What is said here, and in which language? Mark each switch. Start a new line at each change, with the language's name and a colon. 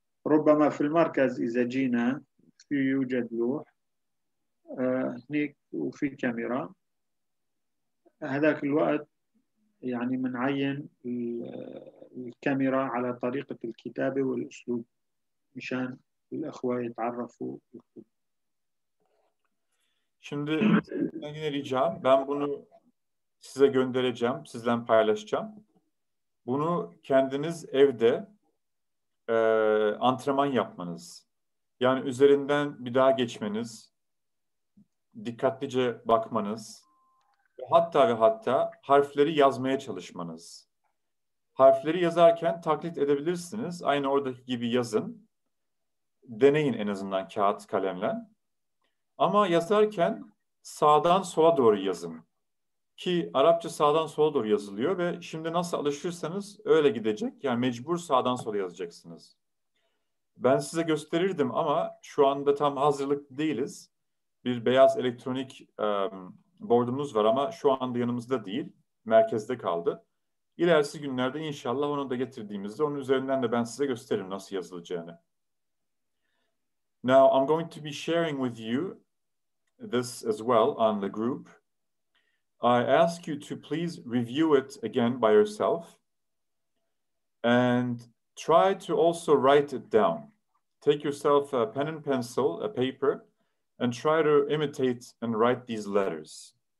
Arabic: ربما في المركز إذا جينا في يوجد لوح هناك وفي كاميرا هذاك الوقت، يعني منعين الكاميرا على طريقة الكتابة والأسلوب مشان الأخوة يتعرفوا.
Turkish: Şimdi yine ricam, ben bunu size göndereceğim, sizden paylaşacağım. Bunu kendiniz evde antrenman yapmanız, yani üzerinden bir daha geçmeniz, dikkatlice bakmanız, hatta harfleri yazmaya çalışmanız. Harfleri yazarken taklit edebilirsiniz, aynı oradaki gibi yazın, deneyin en azından kağıt kalemle. Ama yazarken sağdan sola doğru yazın. Ki Arapça sağdan sola doğru yazılıyor ve şimdi nasıl alışırsanız öyle gidecek. Yani mecbur sağdan sola yazacaksınız. Ben size gösterirdim ama şu anda tam hazırlık değiliz. Bir beyaz elektronik board'umuz var ama şu anda yanımızda değil. Merkezde kaldı. İlerisi günlerde inşallah onu da getirdiğimizde onun üzerinden de ben size gösteririm nasıl yazılacağını.
English: Now I'm going to be sharing with you this as well on the group. I ask you to please review it again by yourself and try to also write it down. Take yourself a pen and pencil, a paper, and try to imitate and write these letters.